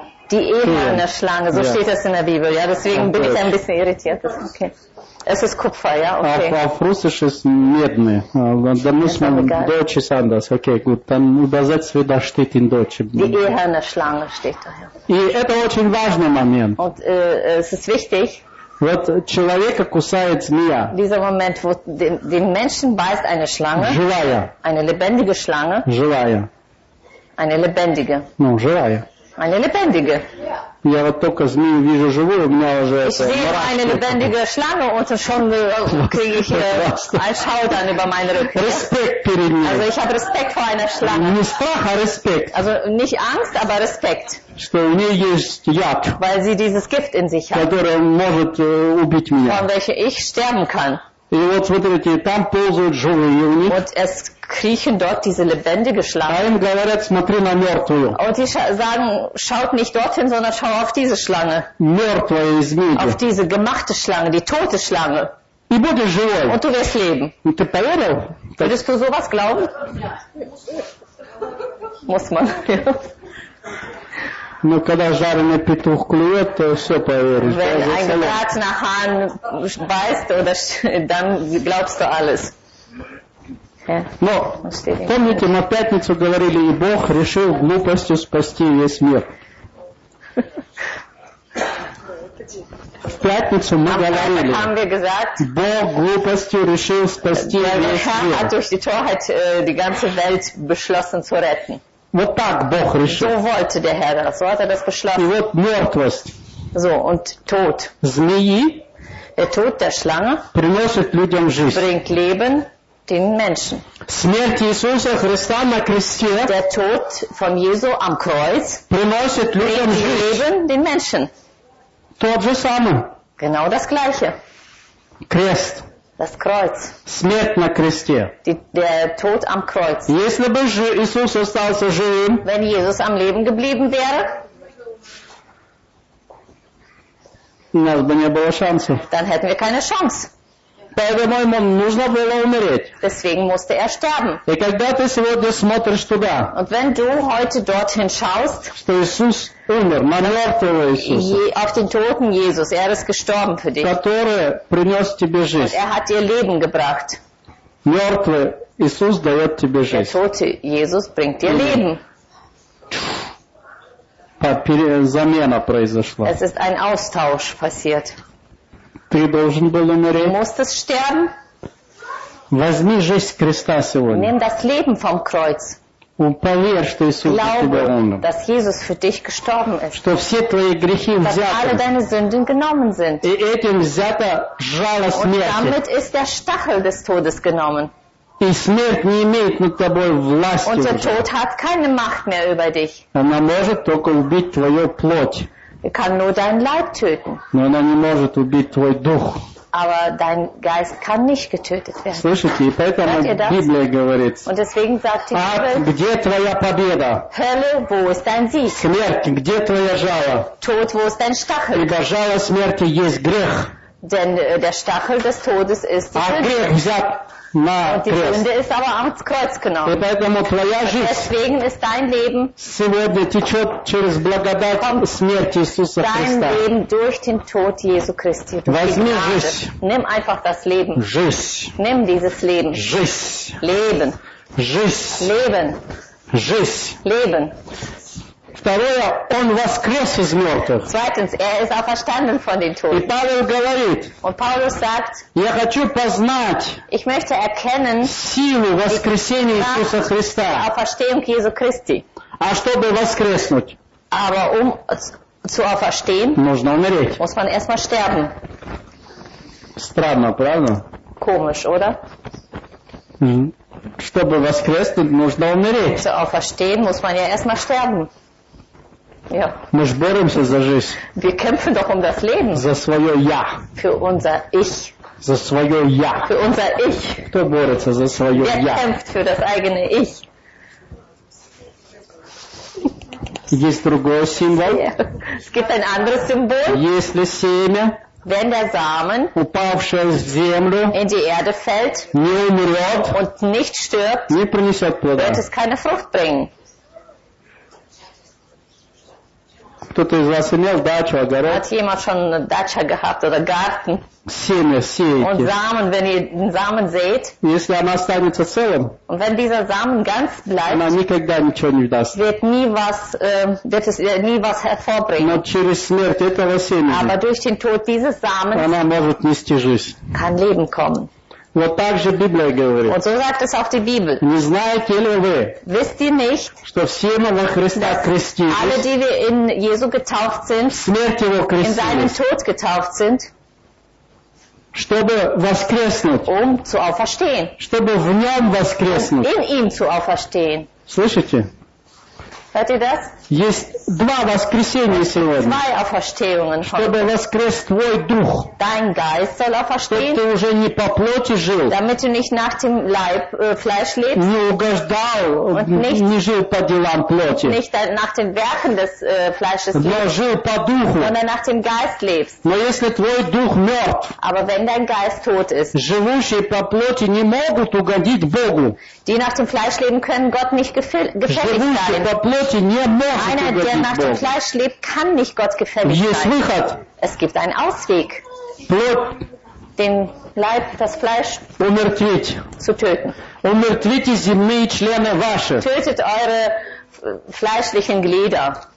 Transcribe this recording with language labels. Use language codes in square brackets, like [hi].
[de] Die eherne Schlange, so steht das in der Bibel, ja? Deswegen bin ich ein bisschen irritiert. Okay. Es ist Kupfer, ja, okay. Auf Russisch ist Medne. Da muss man Deutsch ist anders. Okay, gut. Dann übersetzt wie das steht in Deutsch. Die eherne Schlange steht da, ja. [ru] И это очень важный момент. [de] Und es ist wichtig. [ru] Вот человека кусает змея. [de] Dieser Moment, wo den Menschen beißt eine Schlange. [ru] Живая. [de] Eine lebendige Schlange. [ru] Живая. [de] Eine lebendige. [ru] Ну, живая. [de] Eine lebendige. [ru] Я вот только змею вижу живую, у меня уже [de] ich [ru] это... [de] Ich sehe eine lebendige Schlange und schon kriege ich ein Schaudern über meine Rücken. [ru] Respekt перед ней. [de] Also ich habe Respekt vor einer Schlange. [ru] Не страх, а Respekt. [de] Also nicht Angst, aber Respekt. [ru] Что у нее есть яд. [de] Weil sie dieses Gift in sich hat. [ru] Которое может убить меня. [de] Von welcher ich sterben kann. [ru] И вот смотрите, там ползают живые у них. [de] Und es kriechen dort diese lebendige Schlange. [ru] А им говорят, смотри на мертвую. [de] Und die sagen, schaut nicht dorthin, sondern schau auf diese Schlange. [ru] Мертвая змея. [de] Auf diese gemachte Schlange, die tote Schlange. [ru] И будешь живой. [de] Und du wirst leben. Und [ru] ты поверил? [de] Würdest du sowas glauben? Muss man, [ru] ну, когда жареный петух клюет, то все поверишь. [de] Wenn ein gebratener Hahn beißt, oder, dann glaubst du alles. [en] Yeah. [ru] Но, помните, на пятницу говорили, и Бог решил глупостью спасти весь мир. В пятницу мы говорили, [de] gesagt, [ru] Бог глупостью решил спасти весь мир. Вот так Бог решил. [de] So wollte der Herr das. So hat das beschlossen. [ru] И вот мертвость. [de] So, und Tod. [ru] Змеи. [de] Der Tod der Schlange [ru] приносит людям жизнь. [de] Bringt Leben den Menschen. [ru] Смерть Иисуса Христа на кресте. [de] Der Tod von Jesu am Kreuz [ru] приносит людям [de] bringt [ru] жизнь. [de] Leben den Menschen. [ru] Тот же самый. [de] Genau das gleiche. [ru] Крест. [de] Das Kreuz. [ru] Смерть на кресте. [de] Der Tod am Kreuz. [ru] Если бы Иисус остался живым, [de] wenn Jesus am Leben geblieben wäre, [ru] у нас бы не было шансов. [de] Dann hätten wir keine Chance. [ru] Поэтому ему нужно было умереть. [de] Deswegen musste er sterben. [ru] И когда ты сегодня смотришь туда, [de] und wenn du heute dorthin schaust, [ru] что Иисус умер, на мертвого Иисуса, [de] auf den toten Jesus, er ist gestorben für dich, [ru] который принес тебе жизнь, [de] und er hat dir Leben gebracht. [ru] Мертвый Иисус дает тебе жизнь. [de] Der tote Jesus bringt dir Leben. [ru] Замена произошла. [de] Es ist ein Austausch passiert. [ru] Ты должен был умереть. [de] Du musstest sterben. [ru] Возьми жизнь креста сегодня. [de] Nimm das Leben vom Kreuz. Und [ru] поверь, что Иисус за тебя умер. [de] Dass Jesus für dich gestorben ist. [ru] Что все твои грехи [de] dass [ru] взяты. [de] Dass alle deine Sünden genommen sind. [ru] И этим взята жало смерти. [de] Und damit ist der Stachel des Todes genommen. [ru] И смерть не имеет над тобой власти. [de] Und der Tod hat keine Macht mehr über dich. [ru] Она может только убить твою плоть. [de] Er kann nur dein Leib töten. [ru] Но она не может убить твой дух. [de] Aber dein Geist kann nicht getötet werden. [ru] Слышите, и поэтому Библия говорит. [de] Und deswegen sagt die Bibel. [ru] А где твоя победа? [de] Hölle, wo ist dein Sieg? [ru] Смерть, где твоя жало? [de] Tod, wo ist dein Stachel? [ru] Ибо жало смерти есть грех. [de] Denn der Stachel des Todes ist die Sünde. [ru] А грех взят на крест. [de] Und die Sünde ist aber ans Kreuz genommen. [ru] И поэтому твоя жизнь. [de] Deswegen ist dein Leben. [ru] Сегодня течет через благодать смерти Иисуса Христа. [de] Dein Leben durch den Tod Jesu Christi. [ru] Возьми жизнь. [de] Nimm einfach das Leben. [ru] Жизнь. [de] Nimm dieses Leben. [ru] Жизнь. [de] Leben. [ru] Жизнь. [de] Leben. [ru] Жизнь. [de] Leben. [ru] Второе, он воскрес из мертвых. [de] Zweitens, er ist auferstanden von den Toten. [ru] И Павел говорит, [de] und Paulus sagt, [ru] я хочу познать, [de] ich möchte erkennen, [ru] силу воскресения Иисуса Христа, [de] die Auferstehung Jesu Christi. [ru] А чтобы воскреснуть, [de] aber zu auferstehen, [ru] нужно умереть. [de] Muss man erstmal sterben. [ru] Странно, правда? [de] Komisch, oder? [ru] Чтобы воскреснуть, нужно умереть. [de] Zu auferstehen, muss man ja erstmal sterben. Ja. [ru] Мы же боремся за жизнь. [de] Wir kämpfen doch um das Leben. [ru] За свое я. [de] Für unser ich. [ru] За свое я. [de] Für unser ich. [ru] Кто борется за свое [de] Wer [ru] я? [de] Wer kämpft für das eigene ich? [ru] Есть другой символ. [de] Es gibt ein anderes Symbol. [ru] Если семя, [de] wenn der Samen, [ru] упавший в землю, [de] in die Erde fällt, [ru] не умрет, [de] und nicht stirbt, [ru] не принесет плода, [de] wird es keine Frucht bringen. [ru] Кто-то из вас имел дачу, огород? [de] Hat jemand schon eine Dacha gehabt oder Garten? [ru] Семя сеете. [de] Und Samen, wenn ihr den Samen seht, [ru] если она останется целым, [de] und wenn dieser Samen ganz bleibt, [ru] она никогда ничего не даст. [de] Wird nie was, wird es nie was hervorbringen. [ru] Но через смерть этого семени, [de] aber durch den Tod dieses Samens, [ru] она может нести жизнь. [de] Kann Leben kommen. [ru] Вот так же Библия говорит. [de] Und so sagt es auch die Bibel. [ru] Не знаете ли вы, [de] wisst ihr nicht, [ru] что все мы во Христа крестились, [de] alle, die wir in Jesu getauft sind, [ru] в смерть Его крестились, [de] in seinen Tod getauft sind, [ru] чтобы воскреснуть, [de] um zu auferstehen, [ru] чтобы в Нем воскреснуть, [de] in ihm zu auferstehen. [ru] Слышите? [de] Hört ihr das? [ru] Есть два воскресения сегодня. [de] Zwei Auferstehungen. [ru] Чтобы воскрес твой дух. [de] Dein Geist soll auferstehen. [ru] Чтобы ты уже не по плоти жил. [de] Damit du nicht nach dem Leib, Fleisch lebst. [ru] Не угождал, не жил по делам плоти. [de] Nicht nach den Werken des Fleisches lebst. [ru] Но жил по духу. [de] Sondern nach dem Geist lebst. [ru] Но если твой дух мертв. [de] Aber wenn dein Geist tot ist. [ru] Живущие по плоти не могут угодить Богу. [de] Die nach dem Fleisch leben können, Gott nicht gefällig sein. [ru] Живущие по плоти не могут. [de] Einer, der nach dem Fleisch lebt, kann nicht Gott gefällig sein. Es gibt einen Ausweg. Den Leib, das Fleisch zu töten. Tötet eure fleischlichen Glieder.